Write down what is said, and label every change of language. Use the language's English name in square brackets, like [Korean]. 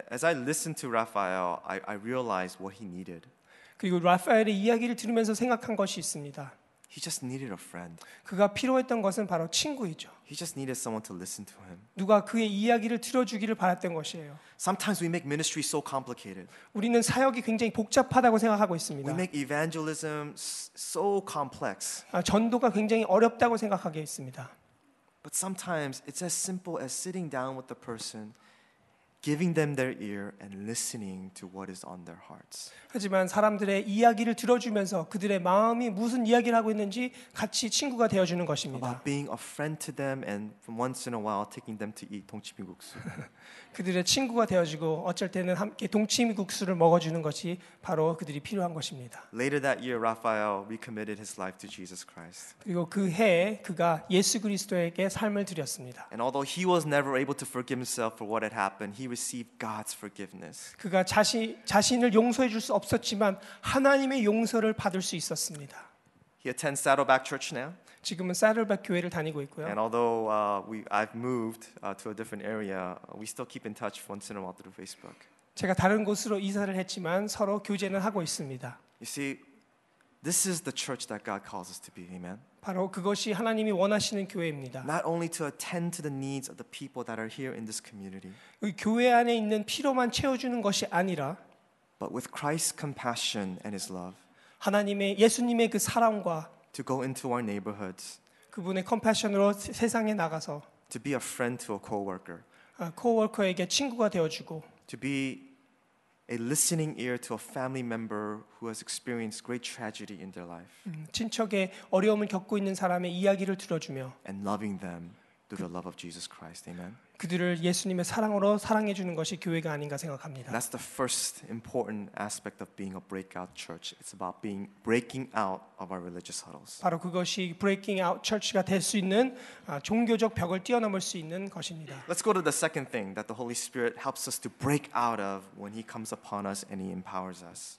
[English] As I listened to Raphael, I realized what he needed. [Korean] 그리고 라파엘의 이야기를 들으면서 생각한 것이 있습니다. [English] He just needed a friend. [Korean] 그가 필요했던 것은 바로 친구이죠. [English] He just needed someone to listen to him. [Korean] 누가 그의 이야기를 들어주기를 바랐던 것이에요. [English] Sometimes we make ministry so complicated. [Korean] 우리는 사역이 굉장히 복잡하다고 생각하고 있습니다. [English] We make evangelism so complex. [Korean] 전도가 굉장히 어렵다고 생각하게 있습니다. [English] But sometimes it's as simple as sitting down with the person, giving them their ear and listening to what is on their hearts. [Korean] 하지만 사람들의 이야기를 들어주면서 그들의 마음이 무슨 이야기를 하고 있는지 같이 친구가 되어 주는 것입니다. [English] About being a friend to them and from once in a while taking them to eat 동치미국수. [Korean] 그들의 친구가 되어 주고 어쩔 때는 함께 동치미국수를 먹어 주는 것이 바로 그들이 필요한 것입니다. [English] Later that year Raphael recommitted his life to Jesus Christ. [Korean] 그리고 그 해에 그가 예수 그리스도에게 삶을 드렸습니다. [English] And although he was never able to forgive himself for what had happened, he received God's forgiveness. [Korean] 그가 자신을 용서해 줄 수 없었지만 하나님의 용서를 받을 수 있었습니다. [English] He attends Saddleback Church now. [Korean] 지금은 사드백 교회를 다니고 있고요. [English] And although I've moved to a different area, we still keep in touch once in a while through Facebook. [Korean] 제가 다른 곳으로 이사를 했지만 서로 교제는 하고 있습니다. [English] You see, this is the church that God calls us to be. Amen. [Korean] 바로 그것이 하나님이 원하시는 교회입니다. [English] Not only to attend to the needs of the people that are here in this community. [Korean] 교회 안에 있는 필요만 채워주는 것이 아니라, [English] but with Christ's compassion and His love. [Korean] 하나님의 예수님의 그 사랑과, [English] to go into our neighborhoods. [Korean] 그분의 컴패션으로 세상에 나가서, [English] to be a friend to a coworker. [Korean] 코워커에게 친구가 되어주고 [English] to be a listening ear to a family member who has experienced great tragedy in their life. [Korean] 친척의 어려움을 겪고 있는 사람의 이야기를 들어주며 [English] and loving them through the love of Jesus Christ. Amen. [Korean] 그들을 예수님의 사랑으로 사랑해 주는 것이 교회가 아닌가 생각합니다. [English] That's the first important aspect of being a breakout church. It's about being breaking out of our religious huddles. [Korean] 바로 그것이 [English] breaking out church [Korean] 가 될 수 있는 종교적 벽을 뛰어넘을 수 있는 것입니다. [English] Let's go to the second thing that the Holy Spirit helps us to break out of when he comes upon us and he empowers us.